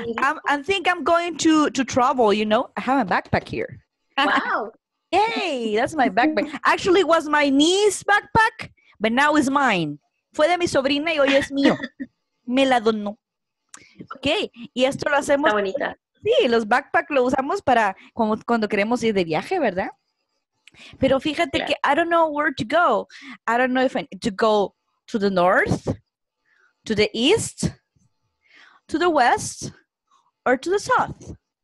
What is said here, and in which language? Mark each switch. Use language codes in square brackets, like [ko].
[en] I think I'm going to travel, you know. I have a backpack here. Wow. Yay, that's my backpack. Actually, it was my niece's backpack, but now it's mine. [es] Fue de mi sobrina y hoy es mío. Me la donó. Okay. Y esto lo hacemos. Está bonita. Sí, los backpacks lo usamos para cuando queremos ir de viaje, ¿verdad? Pero fíjate que [en] I don't know where to go. I don't know if I need to go to the north, to the east, to the west, or to the south.